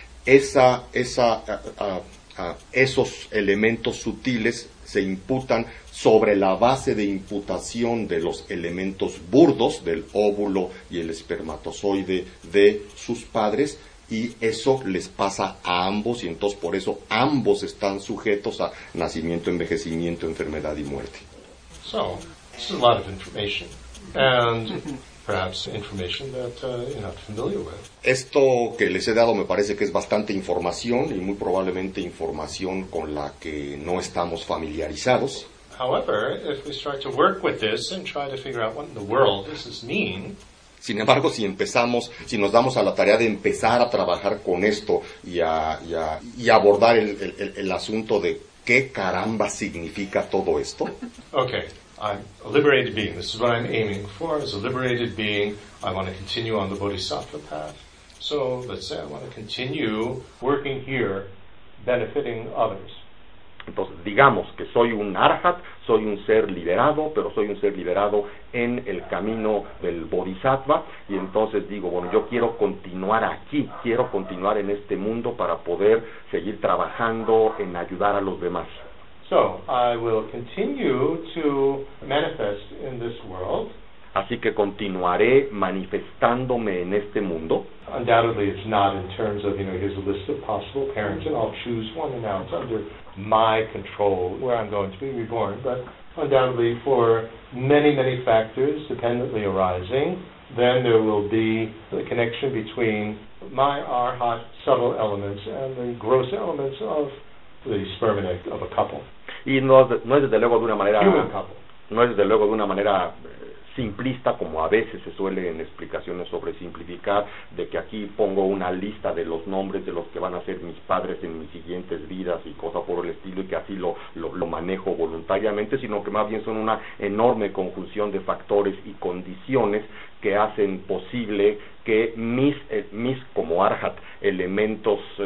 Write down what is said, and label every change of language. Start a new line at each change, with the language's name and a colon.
Spanish: esos elementos sutiles se imputan sobre la base de imputación de los elementos burdos del óvulo y el espermatozoide de sus padres, y eso les pasa a ambos, y entonces por eso ambos están sujetos a nacimiento, envejecimiento, enfermedad y muerte.
English: So, this is a lot of information, and perhaps information that you're not familiar with.
Spanish: Esto que les he dado me parece que es bastante información, y muy probablemente información con la que no estamos familiarizados.
English: However, if we start to work with this and try to figure out what in the world does this mean.
Spanish: Sin embargo, si nos damos a la tarea de empezar a trabajar con esto y abordar el asunto de qué caramba significa todo esto.
English: Okay. I'm a liberated being. This is what I'm aiming for. As a liberated being, I want to continue on the bodhisattva path. So let's say I want to continue working here, benefiting others.
Spanish: Entonces, digamos que soy un arhat, soy un ser liberado, pero soy un ser liberado en el camino del bodhisattva, y entonces digo, bueno, yo quiero continuar aquí, quiero continuar en este mundo para poder seguir trabajando en ayudar a los demás.
English: So, I will continue to manifest in this world.
Spanish: Así que continuaré manifestándome en este mundo.
English: Undoubtedly, it's not in terms of, you know, here's a list of possible parents and I'll choose one and now it's under my control where I'm going to be reborn. But undoubtedly, for many, many factors dependently arising, then there will be the connection between my arhat subtle elements and the gross elements of the sperm and egg of a couple.
Spanish: Y no es desde luego de una manera simplista, como a veces se suele en explicaciones sobre simplificar, de que aquí pongo una lista de los nombres de los que van a ser mis padres en mis siguientes vidas y cosas por el estilo, y que así lo manejo voluntariamente, sino que más bien son una enorme conjunción de factores y condiciones que hacen posible que mis como Arhat, elementos